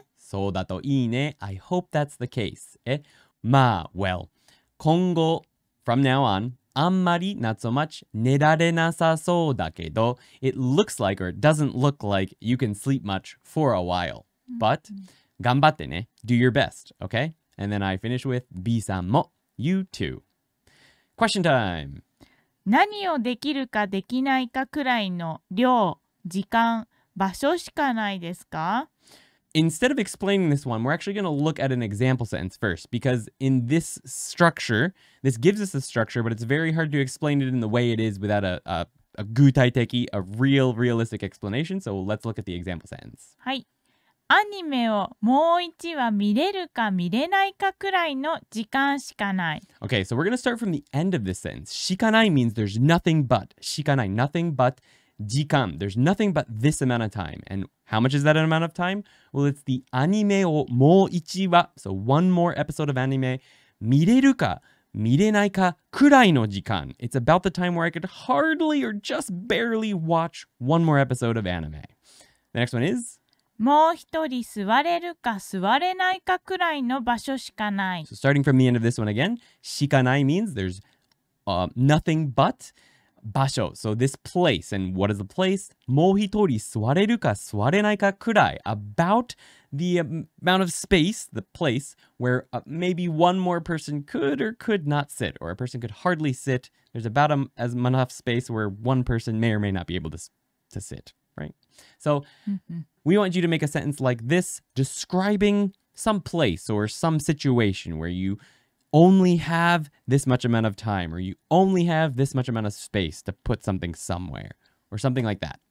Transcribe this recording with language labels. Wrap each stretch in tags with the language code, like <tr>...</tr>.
<ja>そうだといいね。</ja> <en>I hope that's the case.</en> <ja>え、まあ、</ja> <en>well,</en> <ja>今後、</ja> <en>From now on,</en> <ja>あんまり</ja> <en>not so much</en> <ja>寝られなさそうだけど</ja> <en>It looks like or it doesn't look like you can sleep much for a while. But,</en> <ja>頑張ってね。</ja> <en>Do your best, okay? And then I finish with</en> <ja>B さんも。</ja> <en>You too. Question time!</en> <ja>何をできるかできないかくらいの量、時間、場所しかないですか?</ja> <en>Instead of explaining this one, we're actually going to look at an example sentence first. Because in this structure... This gives us a structure, but it's very hard to explain it in the way it is without a 具体的, a real, realistic explanation. So let's look at the example sentence.</en> <ja>はい。アニメをもう一話見れるか見れないかくらいの時間しかない。</ja> <en>Okay, so we're going to start from the end of this sentence.</en> <ja>しかない</ja> <en>means there's nothing but.</en> <ja>しかない,</ja> <en>nothing but 時間.There's nothing but this amount of time. And how much is that amount of time? Well, it's the</en> <ja>アニメをもう一話,</ja> <en>so one more episode of anime,</en> <ja>見れるか見れないかくらいの時間。</ja> <en>It's about the time where I could hardly or just barely watch one more episode of anime. The next one is?</en> <ja>もう一人座れるか座れないかくらいの場所しかない。</ja> <en>So starting from the end of this one again,</en> <ja>しかない</ja> <en>means there's nothing but 場所. So this place, and what is the place?</en> <ja>もう一人座れるか座れないかくらい。</ja> <en>About the amount of space, the place,where maybe one more person could or could not sit, or a person could hardly sit. There's about as enough space where one person may or may not be able to sit, right? So we want you to make a sentence like this, describing some place or some situation where you only have this much amount of time, or you only have this much amount of space to put something somewhere, or something like that.</en>